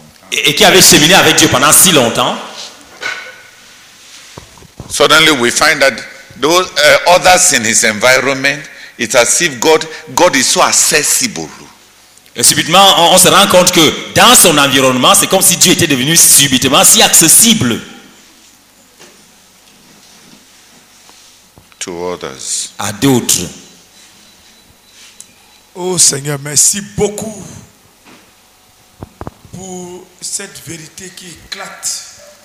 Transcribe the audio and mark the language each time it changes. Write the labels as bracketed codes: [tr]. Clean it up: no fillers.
[fr] Et qui avait cheminé avec Dieu pendant si longtemps. [en] Suddenly we find that those others in his environment, it's as if God is so accessible. [fr] Et subitement, on se rend compte que dans son environnement, c'est comme si Dieu était devenu subitement si accessible. [en] To others. [fr] À d'autres. Oh Seigneur, merci beaucoup pour cette vérité qui éclate.